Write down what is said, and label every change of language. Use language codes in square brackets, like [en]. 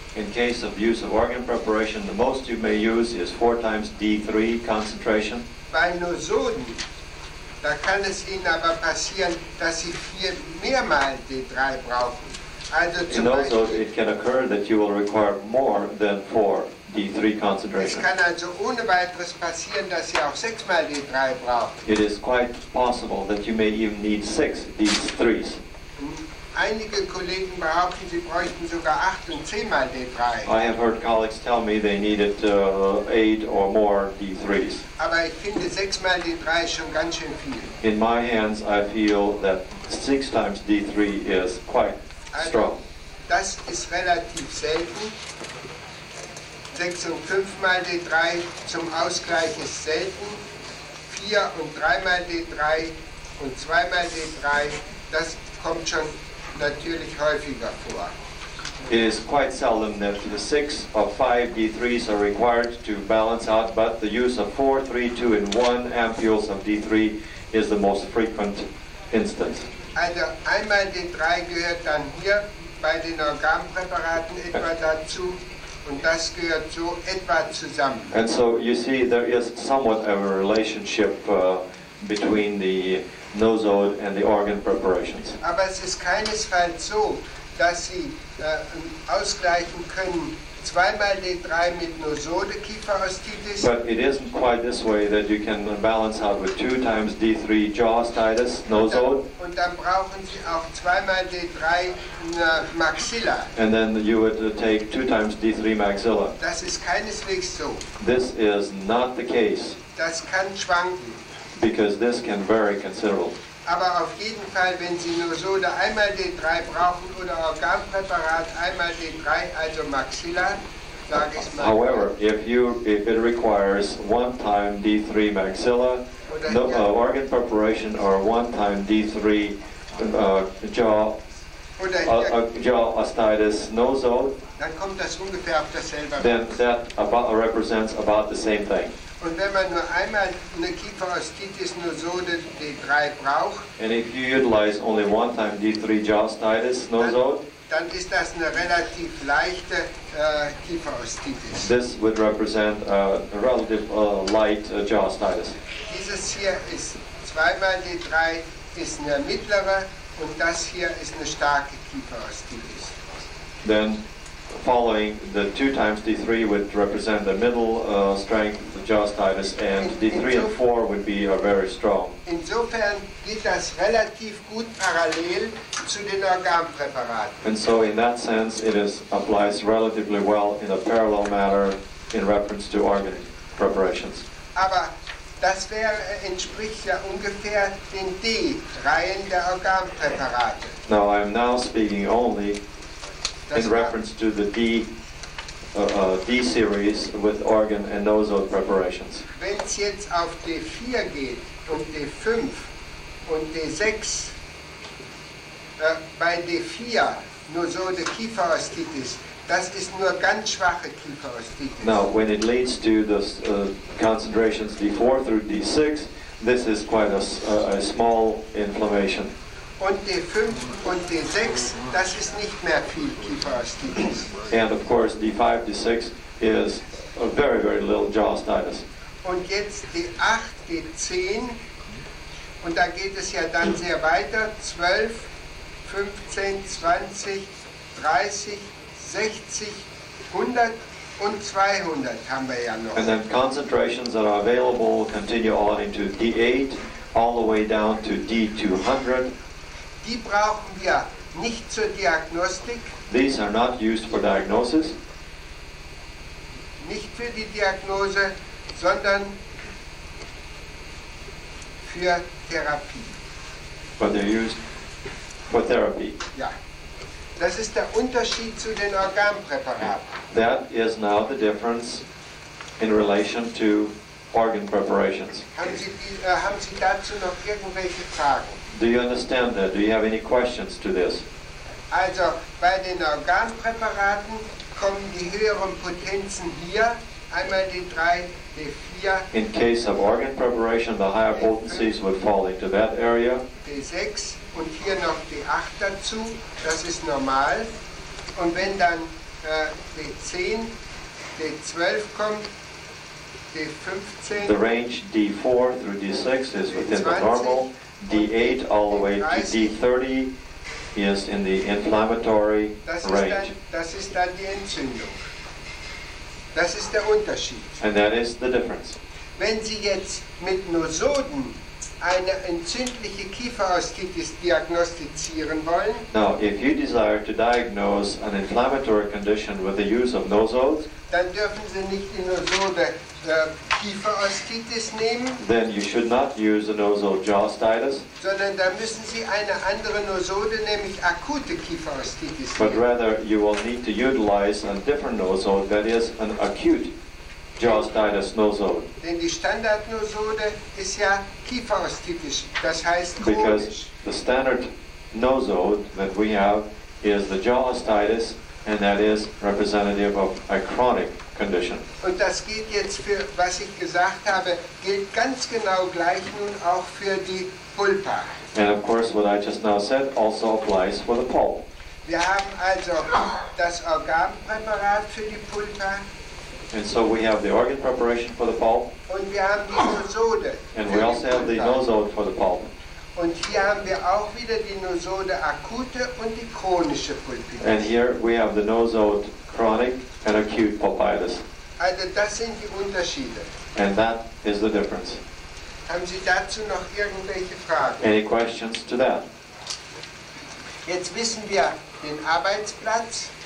[en] In case of use of organ preparation, the most you may use is 4x D3 concentration. [de] Bei Nosoden, da kann es Ihnen aber passieren, dass Sie viel mehrmal D3 brauchen. Also zum in Beispiel, [en] also it can occur that you will require more than 4 D3 concentration. [de] Es kann also ohne weiteres passieren, dass Sie auch 6x D3 brauchen. [en] It is quite possible that you may even need 6 D3s. [de] Einige Kollegen behaupten, sie bräuchten sogar 8 und 10x D3. [en] I have heard colleagues tell me they needed 8 or more D3s. [de] Aber ich finde 6x D3 ist schon ganz schön viel. [en] In my hands I feel that 6x D3 is quite [de] also [en] strong. [de] Das ist relativ selten. 6 und 5x D3 zum Ausgleich ist selten. 4 und 3x D3 und 2x D3, das kommt schon natürlich häufiger vor. [en] It is quite seldom that the 6 or 5 D3s are required to balance out, but the use of 4, 3, 2, and 1 ampules of D3 is the most frequent instance. [de] Also 1x D3 gehört dann hier bei den Organpräparaten etwa dazu. Und das gehört so etwa zusammen. [en] And so you see there is somewhat of a relationship between the nozode and the organ preparations. [de] Aber es ist keinesfalls so, dass sie ausgleichen können, 2x D3 mit nozode Kieferostitis. [en] But it isn't quite this way that you can balance out with 2x D3 jaw ostitis, nozode. [de] Und dann brauchen sie auch 2x D3 maxilla. [en] And then you would take 2x D3 maxilla. [de] Das ist keineswegs so. [en] This is not the case. [de] Das kann schwanken. [en] Because this can vary considerably. [de] Aber auf jeden Fall, wenn Sie nur so da einmal D3 brauchen oder Organpräparat einmal D3, also Maxilla, sage ich mal. [en] However, if it requires 1x D3 Maxilla, organ preparation or 1x D3 jaw ostitis nozode, [de] dann kommt das ungefähr auf dasselbe. [en] Then that about represents about the same thing. [de] Und wenn man nur einmal eine Kieferostitis nozode D3 braucht, [en] and if you utilize only 1x D3 jaw ostitis nozode, [de] dann ist das eine relativ leichte Kieferostitis. [en] This would represent a relative light jaw ostitis. [de] Dieses hier ist 2x D3, ist eine mittlere, und das hier ist eine starke Kieferostitis. [en] Then following the 2x D3 would represent the middle strength jaw ostitis, and D3 and 4 would be very strong. [de] Insofern geht das relativ gut parallel zu den Organpräparaten. [en] And so in that sense it applies relatively well in a parallel manner in reference to organ preparations. [de] Aber das entspricht ja ungefähr den D-Reihen der Organpräparate. [en] Now I'm now speaking only in reference to the D D series with organ and nozode preparations. [de] Wenn es jetzt auf D4 geht, um D5 und D6, bei D4 nozode Kieferostitis, das ist nur ganz schwache Kieferostitis. [en] Now, when it leads to the concentrations D4 through D6, this is quite a small inflammation. [de] Und D5 und D6, das ist nicht mehr viel Kieferostitis. [en] And of course D5, D6 is a very, very little jaw ostitis. [de] Und jetzt D8, D10, und da geht es ja dann sehr weiter, 12, 15, 20, 30, 60, 100 und 200 haben wir ja noch. [en] And then concentrations that are available continue on into D8, all the way down to D200. [de] Die brauchen wir nicht zur Diagnostik. [en] These are not used for diagnosis. [de] Nicht für die Diagnose, sondern für Therapie. [en] But they're used for therapy. [de] Ja. Das ist der Unterschied zu den Organpräparaten. [en] That is now the difference in relation to organ preparations. [de] Haben Sie dazu noch irgendwelche Fragen? [en] Do you understand that? Do you have any questions to this? [de] Also, bei den Organpräparaten kommen die höheren Potenzen hier, einmal D3, D4. [en] In case of organ preparation, the higher potencies would fall into that area. [de] D6 und hier noch D8 dazu, das ist normal. Und wenn dann D10, D12 kommt, D15. [en] The range D4 through D6 is within the normal. D8 all the way to D30 is in the inflammatory range. [de] Das ist dann die Entzündung. Das ist der Unterschied. [en] And that is the difference. [de] Wenn Sie jetzt mit Nozoden eine entzündliche Kieferostitis diagnostizieren wollen, [en] now, if you desire to diagnose an inflammatory condition with the use of nozodes, [de] dann dürfen Sie nicht die Nozode Kieferostitis nehmen, [en] then you should not use the nozode jaw ostitis, [de] sondern dann müssen Sie eine andere Nozode, nämlich akute Kieferostitis, [en] but [de] nehmen. [en] But rather, you will need to utilize a different nozode, that is, an acute jaw ostitis nozode. [de] Denn die Standard-Nozode ist ja Kieferostitis, das heißt chronisch. [en] Because the standard nozode that we have is the jaw ostitis, and that is representative of a chronic condition. [de] Und das gilt jetzt für, was ich gesagt habe, gilt ganz genau gleich nun auch für die Pulpa. [en] And of course, what I just now said also applies for the pulp. [de] Wir haben also das Organpräparat für die Pulpa. [en] And so we have the organ preparation for the pulp. [de] Und wir haben die Nosode. [en] And we also have the nosode for the pulp. [de] Und hier haben wir auch wieder die Nosode akute und die chronische Pulpitis. [en] And here we have the nosode chronic and acute pulpitis. [de] Also das sind die Unterschiede. [en] And that is the difference. [de] Haben Sie dazu noch irgendwelche Fragen? [en] Any questions to that? [de] Jetzt wissen wir den Arbeitsplatz.